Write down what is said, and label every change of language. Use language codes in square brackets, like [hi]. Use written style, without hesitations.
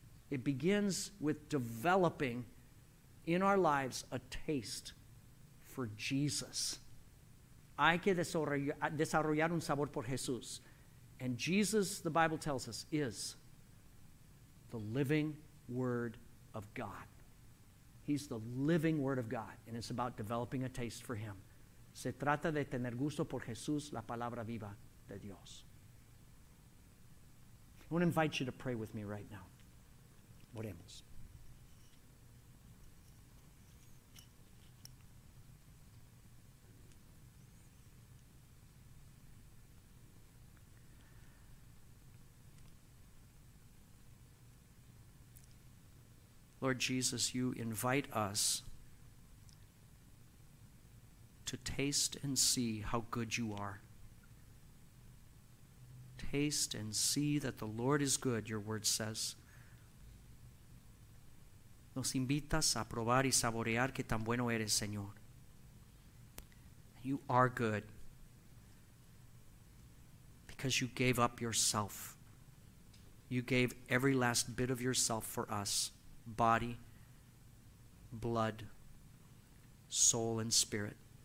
[en] It begins with developing in our lives a taste for Jesus. [es] Hay que desarrollar un sabor por Jesús. [en] And Jesus, the Bible tells us, is the living Word of God. He's the living Word of God, and it's about developing a taste for him. [es] Se trata de tener gusto por Jesús, la palabra viva de Dios. [en] I want to invite you to pray with me right now. [es] Oremos. [en] Lord Jesus, you invite us to taste and see how good you are. Taste and see that the Lord is good, your word says. [es] Nos invitas a probar y saborear que tan bueno eres, Señor. [en] You are good because you gave up yourself. you gave every last bit of yourself for us, body, blood, soul, and spirit.